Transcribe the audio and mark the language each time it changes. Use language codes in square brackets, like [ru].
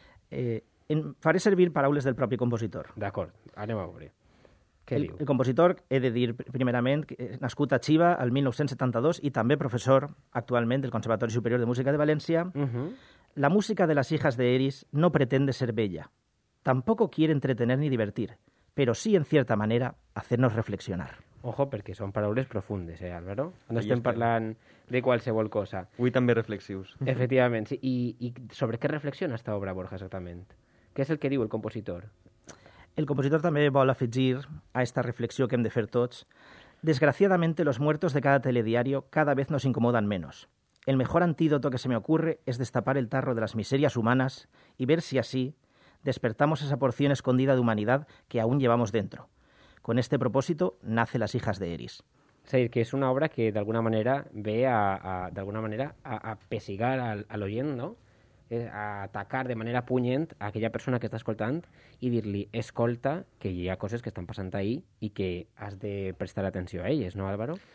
[ca] Faré servir paraules del propi compositor. D'acord, anem a veure. Què diu? El compositor, he de dir primerament, nascut a Xiva el 1972 i també professor actualment del Conservatori Superior de Música de València. [es] Uh-huh. La música de Las hijas de Eris no pretende ser bella. Tampoco quiere entretener ni divertir, pero sí, en cierta manera, hacernos reflexionar. [ca] Ojo, perquè són paraules profundes, Álvaro? No estem parlant de qualsevol cosa. Avui també reflexius. Efectivament, sí. I sobre què reflexiona esta obra, Borja, exactament? Què és el que diu el compositor? El compositor també vol afegir a esta reflexió que hem de fer tots. [es] Desgraciadamente, los muertos de cada telediario cada vez nos incomodan menos. El mejor antídoto que se me ocurre es destapar el tarro de las miserias humanas y ver si así despertamos esa porción escondida de humanidad que aún llevamos dentro. Con este propósito nace Las hijas de Eris. [ca] És a dir, que és una obra que d'alguna manera ve a pessigar a l'oient, no? A atacar de manera punyent a aquella persona que està escoltant i dir-li, escolta, que hi ha coses que estan passant ahir i que has de prestar atenció a elles, no, Álvaro?